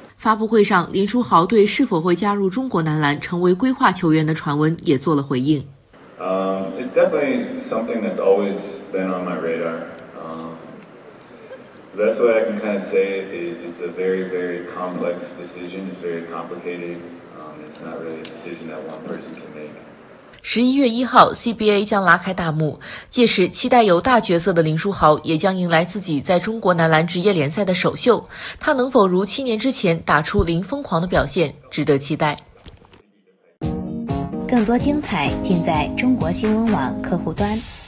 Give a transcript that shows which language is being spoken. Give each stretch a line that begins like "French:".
Chinese: 发布会上，林书豪对是否会加入中国男篮成为规划球员的传闻也做了回应。
English: It's definitely something that's always been on my radar. The best way I can kind of say it is it's a very, very complex decision. It's very complicated. It's not really a decision that one person can make.
Chinese: 11月1号 ,CBA 将拉开大幕，届时期待有大角色的林书豪也将迎来自己在中国男篮职业联赛的首秀，他能否如7年之前打出零疯狂的表现，值得期待。更多精彩尽在中国新闻网客户端。